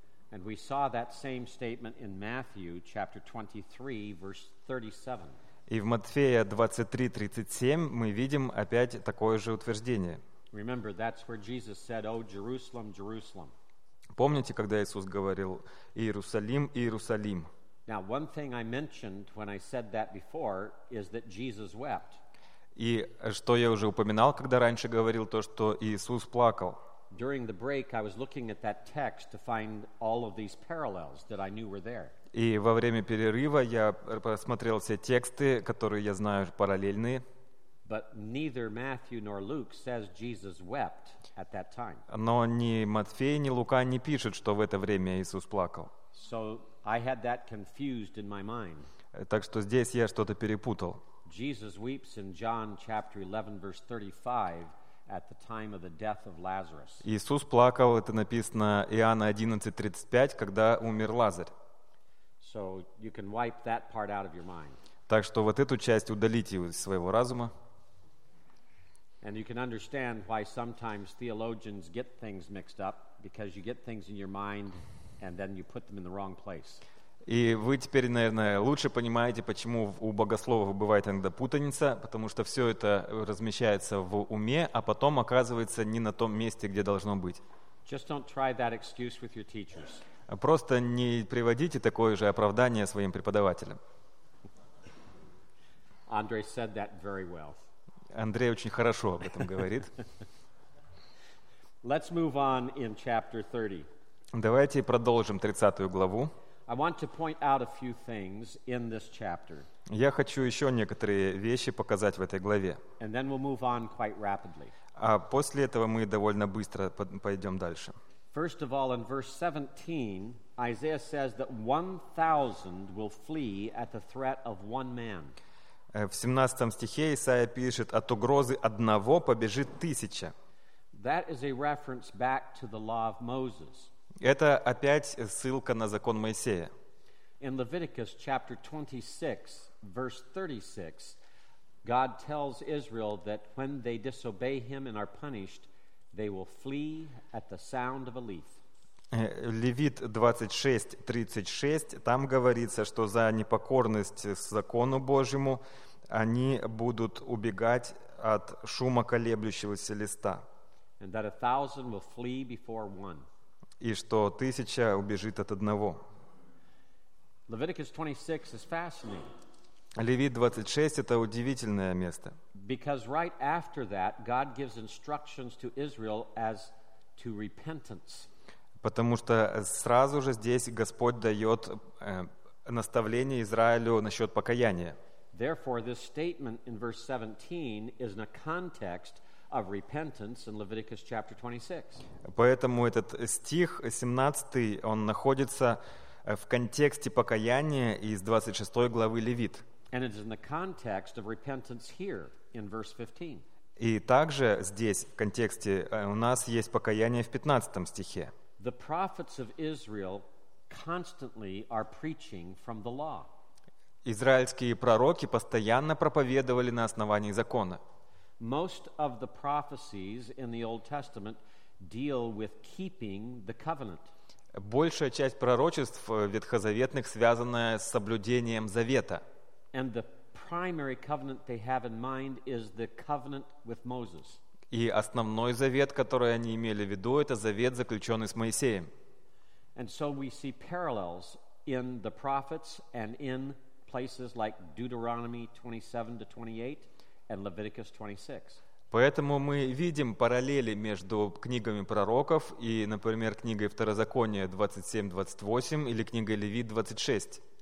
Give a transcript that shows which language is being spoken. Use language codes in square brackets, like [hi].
[en] And we saw that same statement in Matthew chapter 23 verse 37. [ru] И в Матфея 23:37 мы видим опять такое же утверждение. [en] Remember, that's where Jesus said, "O Jerusalem, Jerusalem." [ru] Помните, когда Иисус говорил: "Иерусалим, Иерусалим"? [en] Now, one thing I mentioned when I said that before is that Jesus wept. [ru] И что я уже упоминал, когда раньше говорил то, что Иисус плакал. [en] During the break, I was looking at that text to find all of these parallels that I knew were there. [ru] И во время перерыва я посмотрел все тексты, которые я знаю параллельные. [en] But neither Matthew nor Luke says Jesus wept at that time. [ru] Но ни Матфей, ни Лука не пишут, что в это время Иисус плакал. [en] So I had that confused in my mind. [ru] Так что здесь я что-то перепутал. [en] Jesus weeps in John chapter 11 verse 35. At the time of the death of Lazarus. [ru] Иисус плакал, это написано Иоанна 11:35, когда умер Лазарь. [en] So you can wipe that part out of your mind. [ru] Так что вот эту часть удалите из своего разума. [en] And you can understand why sometimes theologians get things mixed up, because you get things in your mind and then you put them in the wrong place. [ru] И вы теперь, наверное, лучше понимаете, почему у богословов бывает иногда путаница, потому что все это размещается в уме, а потом оказывается не на том месте, где должно быть. [en] Just don't try that excuse with your teachers. [ru] Просто не приводите такое же оправдание своим преподавателям. [en] Andrei said that very well. [ru] Андрей очень хорошо об этом говорит. [en] Let's move on in chapter 30. [ru] Давайте продолжим 30 главу. [en] I want to point out a few things in this chapter. [ru] Я хочу еще некоторые вещи показать в этой главе. [en] And then we'll move on quite rapidly. [ru] А после этого мы довольно быстро пойдем дальше. [en] First of all, in verse 17, Isaiah says that 1,000 will flee at the threat of one man. [ru] В 17 стихе Исаия пишет: от угрозы одного побежит тысяча. [en] That is a reference back to the law of Moses. [ru] Это опять ссылка на закон Моисея. [en] In Leviticus chapter 26, verse 36, God tells Israel that when they disobey him and are punished, they will flee at the sound of a leaf. [ru] Левит 26:36, там говорится, что за непокорность закону Божьему они будут убегать от шума колеблющегося листа. [en] And that a thousand will flee before one. [ru] И что тысяча убежит от одного. [en] Leviticus 26 is fascinating. [ru] Левит 26 — это удивительное место. [en] Because right after that, God gives instructions to Israel as to repentance. [ru] Потому что сразу же здесь Господь дает наставление Израилю насчет покаяния. [en] Therefore, this statement in verse 17 is in a context of repentance in Leviticus chapter 26. [ru] Поэтому этот стих 17, он находится в контексте покаяния из 26 главы Левит. [en] And it is in the context of repentance here in verse 15. [ru] И также здесь в контексте у нас есть покаяние в 15 стихе. [en] The prophets of Israel constantly are preaching from the law. [ru] Израильские пророки постоянно проповедовали на основании закона. [en] Most of the prophecies in the Old Testament deal with keeping the covenant. [ru] Большая часть пророчеств ветхозаветных связана с соблюдением завета. [en] And the primary covenant they have in mind is the covenant with Moses. [ru] И основной завет, который они имели в виду, это завет, заключенный с Моисеем. [en] And so we see parallels in the prophets and in places like Deuteronomy 27-28 and Leviticus 26. [ru] Поэтому мы видим параллели между книгами пророков и, например, книгой Второзакония 27-28 или книгой Левит 26.